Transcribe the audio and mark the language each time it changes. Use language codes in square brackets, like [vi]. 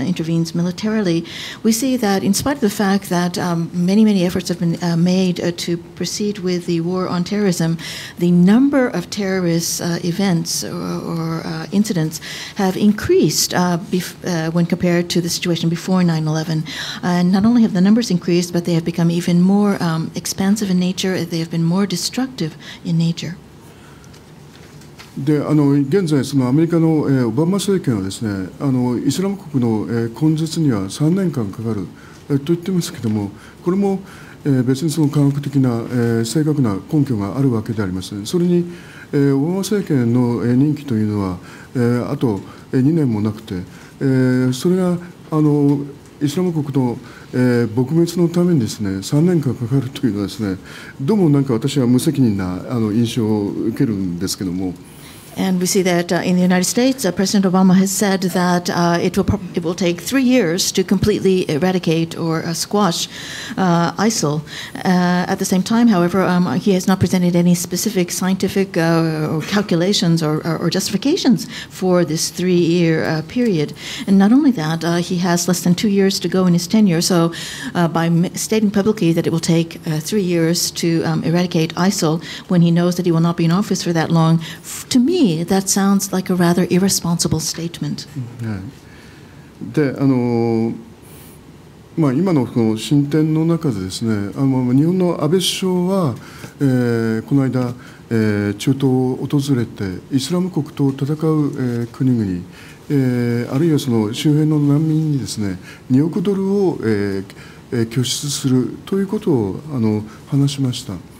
[en] intervenes militarily. We see that in spite of the fact that many efforts have been made to proceed with the war on terrorism, the number of terrorist events or incidents have increased when compared to the situation before 9/11. And not only have the numbers increased, but they have become even more expansive in nature. They have been more destructive in nature. [ja] で現在そのアメリカの、オバマ政権はですね、イスラム国の、根絶には3年間かかる、と言ってますけども、これも、別にその科学的な、正確な根拠があるわけではありません。それに、オバマ政権の、任期というのは、あと2年もなくて、それがイスラム国の、撲滅のためにですね、3年間かかるというのはですね、どうもなんか私は無責任な印象を受けるんですけども。 [en] And we see that in the United States, President Obama has said that it will take 3 years to completely eradicate or squash ISIL. At the same time, however, he has not presented any specific scientific calculations or justifications for this three-year period. And not only that, he has less than 2 years to go in his tenure. So by stating publicly that it will take 3 years to eradicate ISIL when he knows that he will not be in office for that long, to meThat sounds like a rather irresponsible statement. [ja] で、まあ、今のこの進展の中でですね、日本の安倍首相は、この間、中東を訪れてイスラム国と戦う、国々、あるいはその周辺の難民にですね、2億ドルを、拠出するということを話しました。